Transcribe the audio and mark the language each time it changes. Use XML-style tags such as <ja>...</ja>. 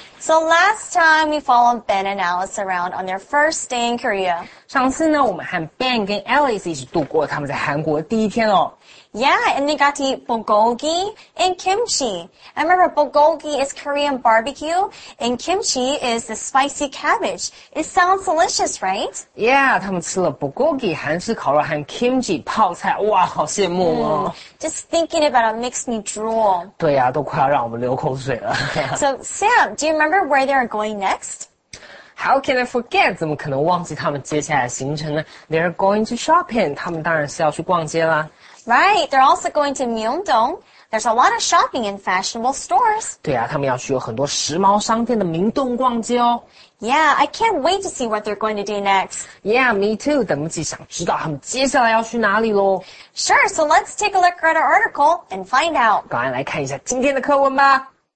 <en>So last time we followed Ben and Alice around on their first day in Korea.</en> <zh>上次呢，我们和 Ben 跟 Alice 一起度过他们在韩国的第一天哦。</zh> <en>Yeah, and they got to eat bulgogi and kimchi. I remember bulgogi is Korean barbecue, and kimchi is the spicy cabbage. It sounds delicious, right?</en> <zh>Yeah，他们吃了 bulgogi 韩式烤肉和 kimchi 泡菜，哇，好羡慕哦！</zh> <en>Just thinking about it makes me drool.</en> <zh>对呀，都快要让我们流口水了。</zh> <en>So, Sam, do you remember where they are going next? How can I forget？</en> <zh>怎么可能忘记他们接下来行程呢？</zh> <en>They're going to shopping，</en> <zh>他们当然是要去逛街啦。</zh> <en>Right, they're also going to Myeongdong. There's a lot of shopping and fashionable stores.</en> <zh>对呀，他们要去有很多时髦商店的明洞逛街哦。</zh> <en>Yeah, I can't wait to see what they're going to do next. Yeah, me too.</en> <zh>等不及想知道他们接下来要去哪里喽。</zh> <en>Sure, so let's take a look at our article and find out.</en> <zh>赶快来看一下今天的课文吧。</zh>